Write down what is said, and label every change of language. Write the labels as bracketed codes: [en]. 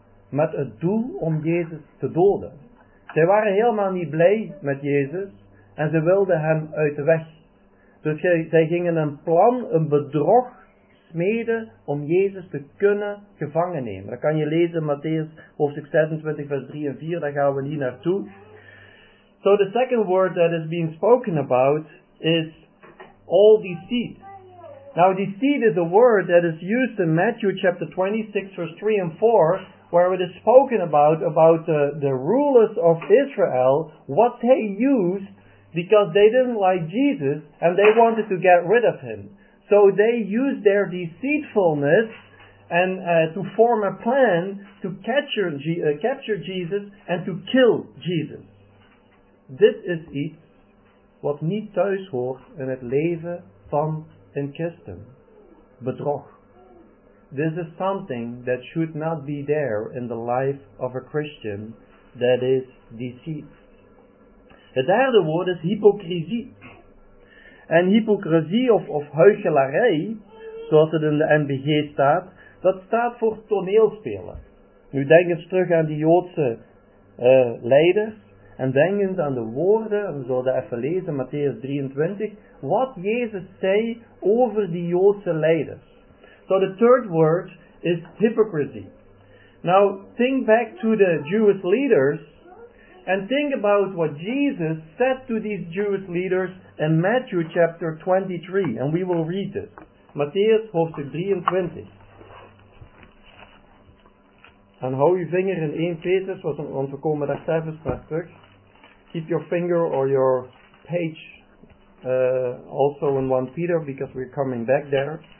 [nl] Met het doel om Jezus te doden. Zij waren helemaal niet blij met Jezus en ze wilden hem uit de weg. Dus zij gingen een plan, een bedrog smeden om Jezus te kunnen gevangen nemen. Dat kan je lezen in Matthäus hoofdstuk 26 vers 3 en 4, daar gaan we niet naartoe. [en] So the second word that is being spoken about is all deceit. Now deceit is a word that is used in Matthew chapter 26 verse 3 and 4, where it is spoken about the rulers of Israel, what they used because they didn't like Jesus and they wanted to get rid of him. So they used their deceitfulness and to form a plan to capture Jesus and to kill Jesus. [nl] Dit is iets wat niet thuis hoort in het leven van een christen. Bedrog. [en] This is something that should not be there in the life of a Christian, that is deceit. [nl] Het derde woord is hypocrisie. En hypocrisie of huichelarij, zoals het in de NBG staat, dat staat voor toneelspelen. Nu denk eens terug aan die Joodse leiders en denk eens aan de woorden, we zullen dat even lezen, Matthäus 23, wat Jezus zei over die Joodse leiders. [en] So the third word is hypocrisy. Now think back to the Jewish leaders and think about what Jesus said to these Jewish leaders in Matthew chapter 23. And we will read this. [nl] Matthäus hoofdstuk 23. En hou je vinger in 1 Petrus, want we komen daar zelfs naar terug. [en] Keep your finger or your page also in 1 Peter, because we're coming back there.